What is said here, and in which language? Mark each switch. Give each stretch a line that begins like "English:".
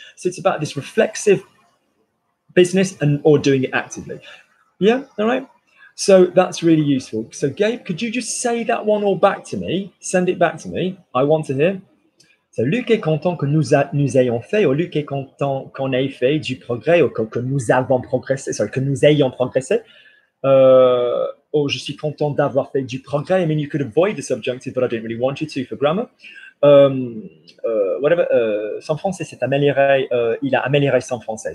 English: So it's about this reflexive business and or doing it actively. Yeah, all right. So that's really useful. So Gabe, could you just say that one all back to me? Send it back to me. I want to hear.
French: So Luc est content que nous ayons fait, ou Luc est content qu'on ait fait du progrès, ou que nous avons progressé,
English: sorry,
French: que nous ayons progressé. Oh, je suis content d'avoir fait du progrès.
English: I mean, you could avoid the subjunctive, but I didn't really want you to for grammar.
French: Son français s'est amélioré, il a amélioré son français.